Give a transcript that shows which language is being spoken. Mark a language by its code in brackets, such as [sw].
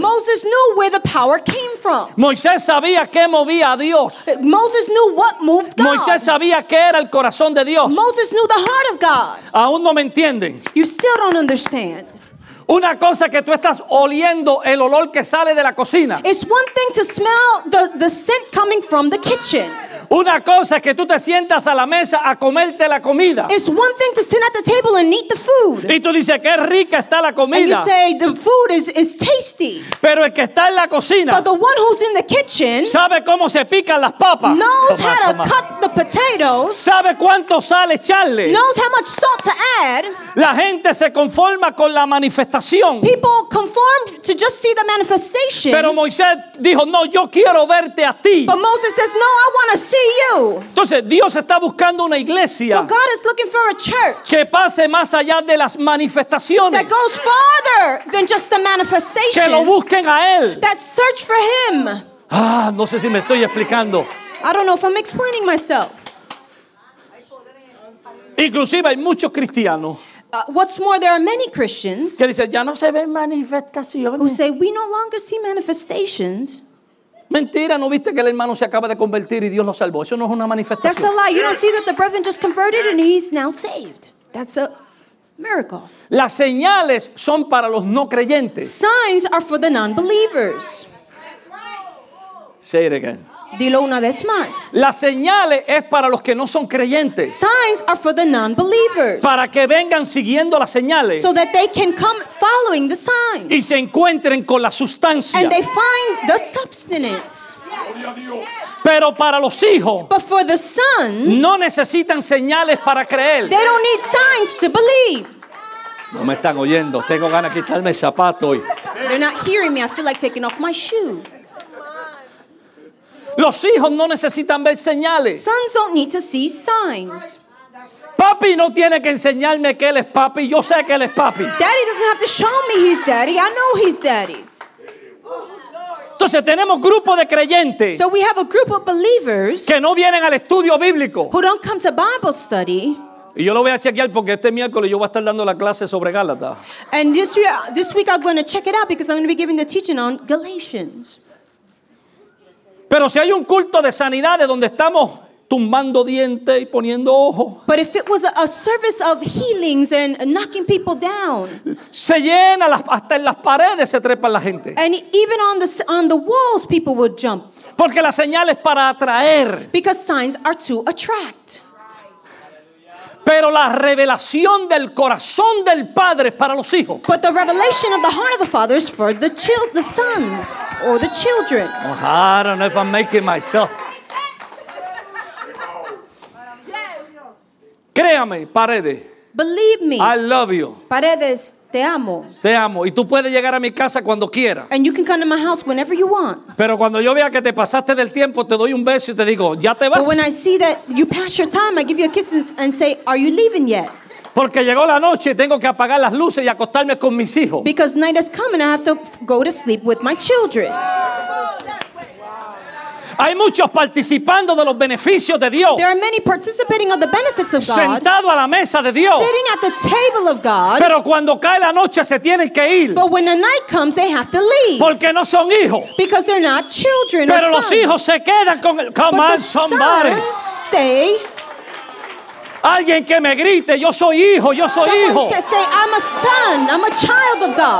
[en] Moses knew where the power came from. [es] Moisés sabía qué movía a Dios. [en] Moses knew what moved God. [es] Moisés sabía qué era el corazón de Dios. [en] Moses knew the heart of God. [es] Aún no me entienden. [en] You still don't understand. [es] Una cosa que tú estás oliendo el olor que sale de la cocina. [en] It's one thing to smell the scent coming from the kitchen. [es] Una cosa es que tú te sientas a la mesa a comerte la comida. [en] It's one thing to sit at the table and eat the food. [es] Y tú dices qué rica está la comida. [en] And you say the food is tasty. [es] Pero el que está en la cocina. [en] But the one who's in the kitchen. [es] Sabe cómo se pican las papas. [en] Knows how to cut the potatoes. [es] Sabe cuánto sal echarle. [en] Knows how much salt to add. [es] La gente se conforma con la manifestación. [en] People conform to just see the manifestation. [es] Pero Moisés dijo, no, yo quiero verte a ti. [en] But Moses says, no, I want to see you. [es] Entonces, Dios está buscando una iglesia. [en] So God is looking for a church. [es] Que pase más allá de las manifestaciones. [en] That goes farther than just the manifestations. [es] Que lo busquen a él. [en] That search for him. [es] Ah, no sé si me estoy explicando. [en] I don't know if I'm explaining myself. [es] Inclusive hay muchos cristianos. [en] What's more, there are many Christians [es] que dicen, ya no se ven manifestaciones. [en] Who say we no longer see manifestations. [es] Mentira, ¿no viste que el hermano se acaba de convertir y Dios lo salvó? Eso no es una manifestación. [en] That's a lie. You don't see that the brethren just converted and he's now saved. That's a miracle. [es] Las señales son para los no creyentes. [en] Signs are for the non-believers. Say it again. [es] Dilo una vez más. Las señales es para los que no son creyentes. [en] Signs are for the non-believers. [es] Para que vengan siguiendo las señales. [en] So that they can come following the signs. [es] Y se encuentren con la sustancia. [en] And they find the substance. [es] Pero para los hijos. [en] But for the sons. [es] No necesitan señales para creer. [en] They don't need signs to believe. [es] No me están oyendo. Tengo ganas de quitarme el zapato hoy. [en] They're not hearing me. I feel like taking off my shoe. [es] Los hijos no necesitan ver señales. [en] Sons don't need to see signs. [es] Papi no tiene que enseñarme que él es papi. Yo sé que él es papi. [en] Daddy doesn't have to show me he's daddy. I know he's daddy. [es] Entonces tenemos grupo de creyentes. [en] So we have a group of believers. [es] Que no vienen al estudio bíblico. [en] Who don't come to Bible study. [es] Y yo lo voy a chequear porque este miércoles yo voy a estar dando la clase sobre Gálatas. [en] And this week I'm going to check it out because I'm going to be giving the teaching on Galatians. [es] Pero si hay un culto de sanidades donde estamos tumbando dientes y poniendo ojos. [en] But if it was a service of healings and knocking people down. [es] Se llena hasta en las paredes se trepa la gente. [en] And even on the walls people would jump. [es] Porque las señales para atraer. [en] Because signs are to attract. [es] Pero la revelación del corazón del padre es para los hijos. [en] But the revelation of the heart of the father is for the sons or the children. Oh, I don't know if I'm making myself. [es] Créame, paredes. [en] Believe me. I love you. [es] Paredes, te amo. Te amo. Y tú puedes llegar a mi casa cuando quieras. [en] And you can come to my house whenever you want. [es] Pero cuando yo vea que te pasaste del tiempo, te doy un beso y te digo, ya te vas. [en] But when I see that you pass your time, I give you a kiss and say, are you leaving yet? [es] Porque llegó la noche y tengo que apagar las luces y acostarme con mis hijos. [en] Because night has come and I have to go to sleep with my children. [es] Hay muchos participando de los beneficios de Dios. [en] There are many participating of the benefits of God. [es] Sentado a la mesa de Dios. [en] Sitting at the table of God. [es] Pero cuando cae la noche se tienen que ir. [en] But when the night comes they have to leave. [es] Porque no son hijos. [en] Because they're not children. [es] Pero [en] or [es] los [en] sons. [es] Hijos se quedan con el come [en] but on somebody. But the sons stay. [es] Alguien que me grite, yo soy hijo, yo soy [en] someone Someone can say I'm a son, I'm a child of God.